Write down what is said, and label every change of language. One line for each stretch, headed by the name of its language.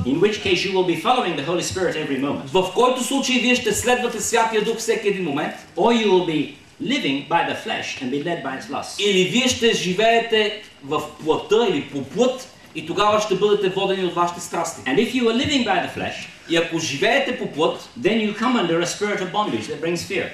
English: in which case you will be following the Holy Spirit every moment,
Bulgarian: в който случай вие ще следвате Святия Дух всеки един момент,
English: or you will be living by the flesh and be led by its lust.
Bulgarian: Или вие ще живеете в плътта или по плът, и тогава ще бъдете водени от вашите страсти.
English: And if you are living by the flesh,
Bulgarian: и ако живеете по плът,
English: then you come under a spirit of bondage that brings fear.